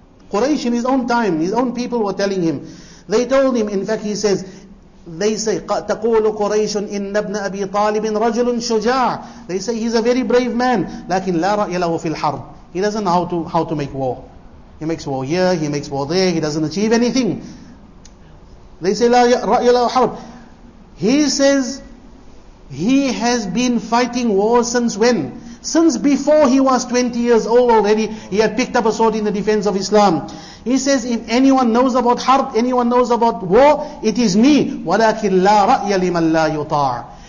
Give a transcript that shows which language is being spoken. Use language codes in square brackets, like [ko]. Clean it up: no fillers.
[en] Quraysh in his own time, his own people were telling him. They told him, in fact he says, they say, [ar] تَقُولُ قُرَيْشٌ إِنَّ ابْنَ أَبِي طَالِبٍ رَجُلٌ شُجَاعٌ. [en] They say he's a very brave man, [ar] لَكِنْ لَا رَأْيَ لَهُ فِي الْحَرْبِ. [en] He doesn't know how to make war. He makes war here, he makes war there, he doesn't achieve anything. They say, [ar] لَا رَأْيَ لَهُ حَرْبِ. [en] He says, he has been fighting war since when? Since before he was 20 years old already, he had picked up a sword in the defense of Islam. He says, if anyone knows about harb, anyone knows about war, it is me. [ar] وَلَكِنْ لَا رَأْيَ لِمَنْ لَا يُطَاعُ.